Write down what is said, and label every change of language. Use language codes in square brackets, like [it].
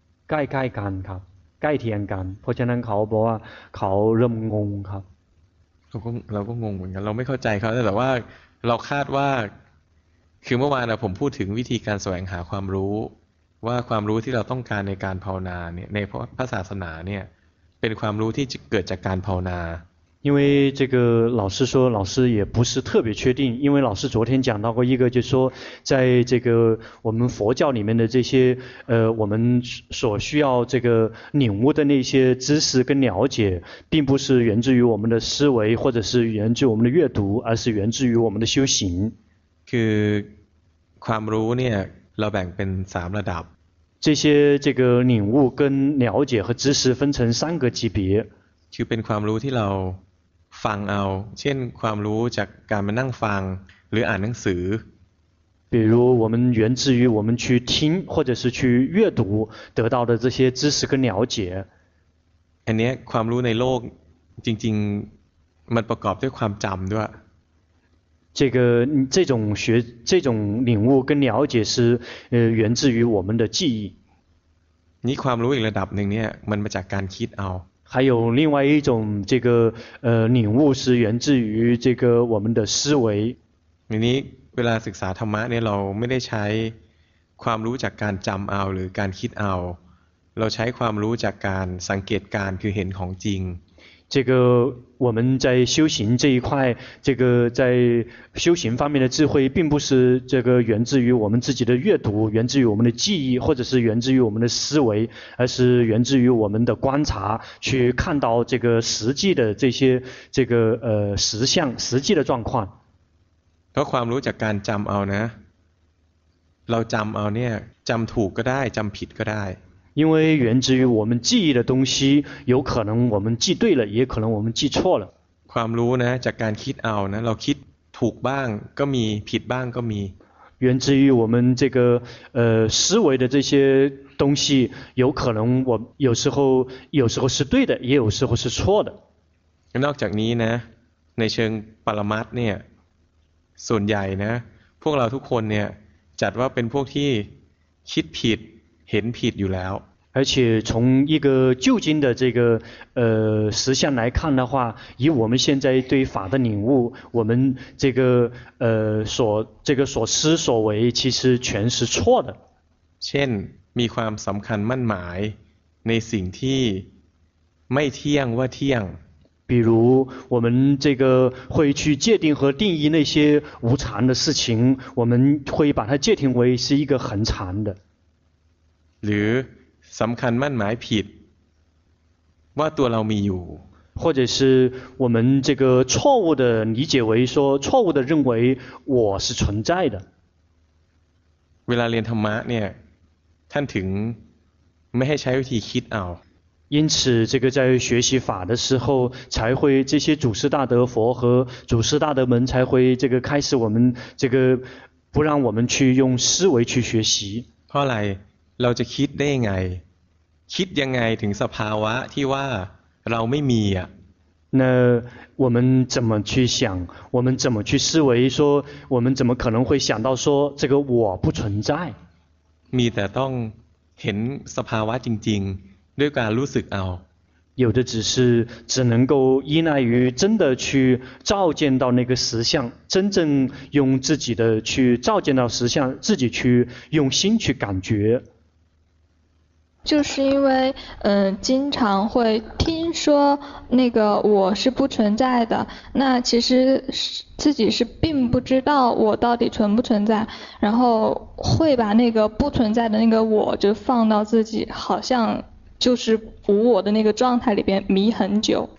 [th] ใกล้ๆกันครับใกล้เทียงกันเพราะฉะนั้นเขาบอกว่าเขาเริ่มงงครับ เราก็งงเหมือนกันเราไม่เข้าใจเขาแต่ว่าเราคาดว่าคือเมื่อวานนะผมพูดถึงวิธีการแสวงหาความรู้ว่าความรู้ที่เราต้องการในการภาวนาเนี่ยในพระศาสนาเนี่ยเป็นความรู้ที่เกิดจากการภาวนา [zh] 因为这个老师说老师也不是特别确定因为老师昨天讲到过一个就是说在这个我们佛教里面的这些我们所需要这个领悟的那些知识跟了解并不是源自于我们的思维或者是源自于我们的阅读而是源自于我们的修行 [th] คือความรู้เนี่ยเราแบ่งเป็น3ระดับ [zh] 这些这个领悟跟了解和知识分成三个级别 [th] คือเป็นความรู้ที่เราฟังเอาเช่นความรู้จากการมานั่งฟังหรืออ่านหนังสือ [zh] 比如我们源自于我们去听或者是去阅读得到的这些知识跟了解 [th] อันนี้ความรู้ในโลกจริงๆมันประกอบด้วยความจำด้วย [zh] 这种领悟跟了解是源自于我们的记忆 [th] นี่ความรู้อีกระดับนึงเนี่ยมันมาจากการคิดเอา [zh] 还有另外一种这个领悟是源自于这个我们的思维 [th] นี้เวลาศึกษาธรรมะเนี่ยเราไม่ได้ใช้ความรู้จากการจําเอาหรือการคิดเอาเราใช้ความรู้จากการสังเกตการคือเห็นของจริง [zh] 这个我们在修行这一块这个在修行方面的智慧并不是这个源自于我们自己的阅读源自于我们的记忆或者是源自于我们的思维而是源自于我们的观察去看到这个实际的这些这个实相实际的状况 [th] เพราะความรู้จากการจำเอานะเราจำเอาเนี่ยจำถูกก็ได้จำผิดก็ได้ [zh] 因为源自于我们记忆的东西有可能我们记对了也可能我们记错了 [th] ความรู้นะจากการคิดเอานะเราคิดถูกบ้างก็มีผิดบ้างก็มี [zh] 源自于我们这个思维的这些东西有可能我有时候是对的也有时候是错的 [th] นอกจากนี้นะในเชิงปรมัตถ์เนี่ยส่วนใหญ่นะพวกเราทุกคนเนี่ยจัดว่าเป็นพวกที่คิดผิดเห็นผิดอยู่แล้ว [zh] 而且从一个究竟的这个实相来看的话以我们现在对法的领悟我们这个所思所为其实全是错的 [th] เช่นมีความสำคัญมั่นหมายในสิ่งที่ไม่เที่ยงว่าเที่ยง [zh] 比如我们这个会去界定和定义那些无常的事情我们会把它界定为是一个恒常的 [th] หรือสำคัญมั่นหมายผิดว่าตัวเรามีอยู่ [zh] 或者是我们这个错误的理解为说错误的认为我是存在的 [th] เวลาเรียนธรรมะเนี่ยท่านถึงไม่ให้ใช้วิธีคิดเอา [zh] 因此这个在学习法的时候才会这些祖师大德佛和祖师大德们才会这个开始我们这个不让我们去用思维去学习 [th] เพราะอะไรเราจะคิดได้ยังไงคิดยังไงถึงสภาวะที่ว่าเราไม่มีอ่ะ [zh] 那我们怎么去想我们怎么去思维说我们怎么可能会想到说这个我不存在 [th] มีแต่ต้องเห็นสภาวะจริงๆด้วยการรู้สึกเอา [zh] 有的只能够依赖于真的去照见到那个实相真正用自己的去照见到实相自己去用心去感觉就是因为经常会听说那个我是不存在的那其实自己是并不知道我到底存不存在然后会把那个不存在的那个我就放到自己好像就是无我的那个状态里边迷很久